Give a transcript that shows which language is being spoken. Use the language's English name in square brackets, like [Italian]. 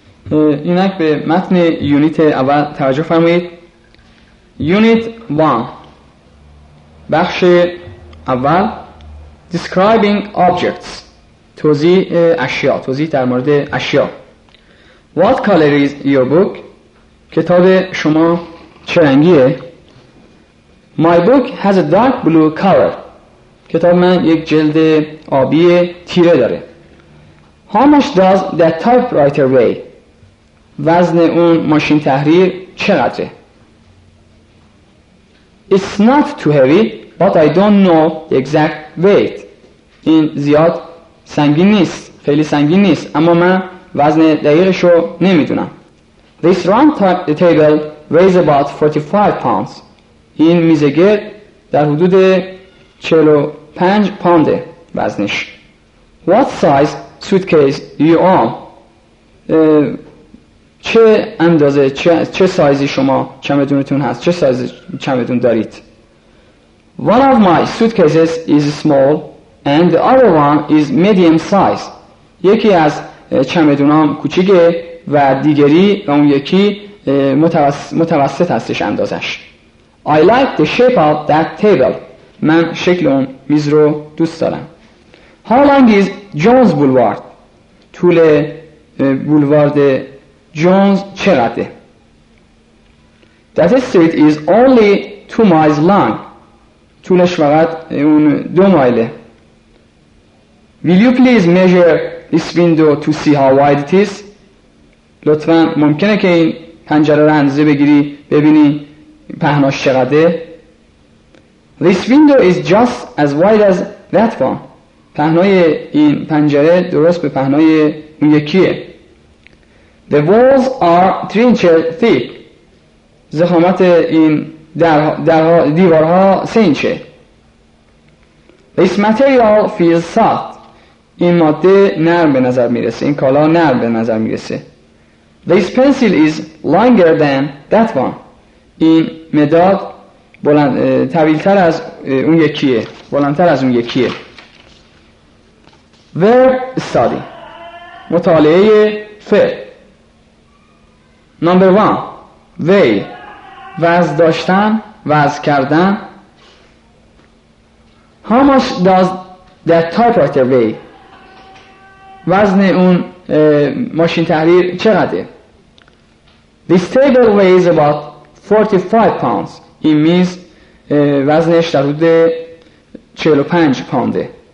[Persian] اینک به متن یونیت اول توجه فرمایید. یونیت 1 بخش اول [English] Describing objects [Persian] توضیح اشیا، توضیح در مورد اشیا. [English] What color is your book؟ [Persian] کتاب شما چه رنگیه؟ [English] My book has a dark blue color. [Persian] کتاب من یک جلد آبی تیره داره. [English] How much does that typewriter weigh؟ [Persian] وزن اون ماشین تحریر چقدره؟ [English] It's not too heavy, but I don't know the exact weight. [Persian] این زیاد سنگین نیست، خیلی سنگین نیست، اما من وزن دقیقش رو نمیدونم. [English] This round table weighs about 45 pounds. [Persian] این میز گرد در حدود 45 پوند وزنش. [English] What size suitcase you own؟ [Persian] چه اندازه، چه سایزی شما چمدونتون هست، چه سایز چمدون دارید؟ [English] One of my suitcases is small and the other one is medium size. [Persian] یکی از چمدونام کوچیکه و دیگری و اون یکی متوسط هستش اندازش. [English] I like the shape of that table. [Persian] من شکل اون میز رو دوست دارم. [English] How long is Jones Boulevard؟ [Persian] طول بولوارد جونز چقدره؟ [English] That street is only 2 miles long. [Persian] طولش فقط اون 2 مایله. [English] Will you please measure this window to see how wide it is؟ [Persian] لطفاً ممکنه که این پنجره رو اندازه بگیری ببینی پهناش چقدره؟ [English] This window is just as wide as that one. [Persian] پهنای این پنجره درست به پهنای اون یکیه. [English] The walls are 3 inches thick. [Persian] ضخامت این دیوارها 3 اینچه. [English] This material feels soft. [Persian] این ماده نرم به نظر میرسه، این کالا نرم به نظر میرسه. [English] This pencil is longer than that one. [Persian] این مداد بلند طویلتر از اون یکیه، بلندتر از اون یکیه. [English] Verb study [Persian] مطالعه فعل. [English] Number 1 [Persian] weigh وزن داشتن، وزن کردن. [English] How much does that typewriter weigh؟ [Persian] وزن اون ماشین تحریر چقدره؟ [English] This table weighs about 45 pounds. [Persian] این میز وزنش در حدود 45 پونده.